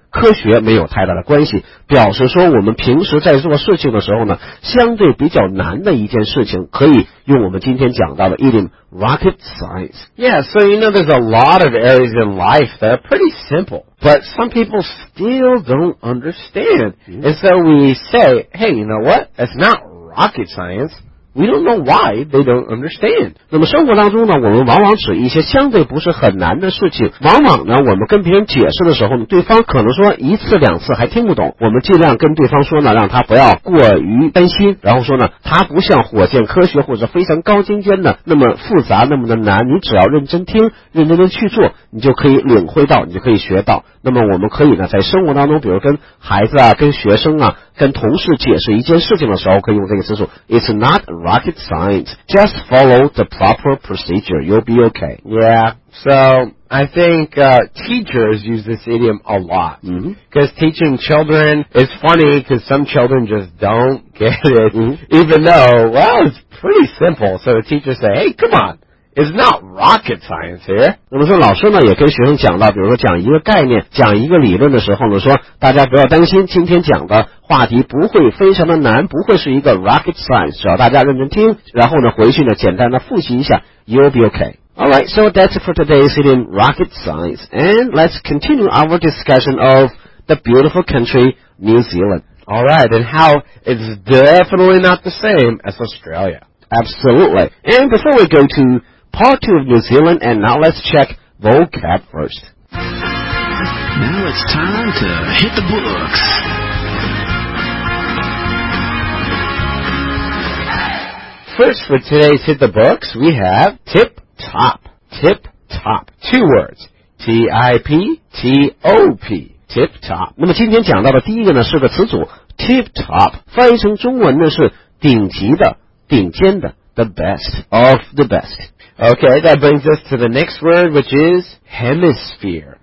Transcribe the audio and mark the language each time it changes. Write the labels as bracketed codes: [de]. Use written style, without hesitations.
[zh] 科学没有太大的关系，表示说我们平时在做事情的时候呢，相对比较难的一件事情，可以用我们今天讲到的 idiom rocket science. [en] Yeah, so you know there's a lot of areas in life that are pretty simple, but some people still don't understand. And so we say, hey, you know what? It's not rocket science. We don't know why they don't understand. [zh] 那么生活当中呢，我们往往指一些相对不是很难的事情。往往呢，我们跟别人解释的时候呢，对方可能说一次两次还听不懂。我们尽量跟对方说呢，让他不要过于担心。然后说呢，他不像火箭科学或者非常高精尖的那么复杂那么的难。你只要认真听，认真的去做，你就可以领会到，你就可以学到。那么我们可以呢，在生活当中，比如跟孩子啊，跟学生啊，跟同事解释一件事情的时候，可以用这个词组 ， [en] It's not rocket science. Just follow the proper procedure. You'll be okay. Yeah. So I think teachers use this idiom a lot because teaching children is funny because some children just don't get it, even though it's pretty simple. So the teachers say, "Hey, come on." It's not rocket science here. [zh] 那么说老师呢也跟学生讲到，比如说讲一个概念，讲一个理论的时候呢，说大家不要担心，今天讲的话题不会非常的难，不会是一个 rocket science. 只要大家认真听，然后呢回去呢简单的复习一下 ， [en] you'll be okay. All right, so that's for today's idiom rocket science, and let's continue our discussion of the beautiful country New Zealand. All right, and how it's definitely not the same as Australia. Absolutely. And before we go to Part 2 of New Zealand, and now let's check vocab first. Now it's time to hit the books. First, for today's hit the books, we have tip-top. Tip-top. Two words. T-I-P-T-O-P. Tip-top. [zh] 那么今天讲到的第一个呢是个词组 tip-top, 翻译成中文呢是顶级的、顶尖的 [en] the best of the best. Okay, that brings us to the next word, which is hemisphere.